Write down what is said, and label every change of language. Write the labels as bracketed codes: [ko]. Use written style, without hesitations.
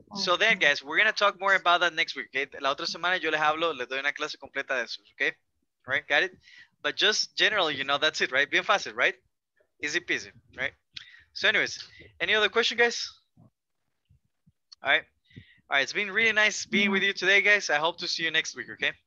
[en] So then, guys, we're going to talk more about that next week. Okay? [es] La otra semana yo les hablo, les doy una clase completa de eso. [en] Okay? All right, got it? But just generally, you know, that's it, right? [es] Bien fácil, [en] right? Easy peasy, right? So anyways, any other question, guys? All right, it's been really nice being with you today, guys. I hope to see you next week, okay?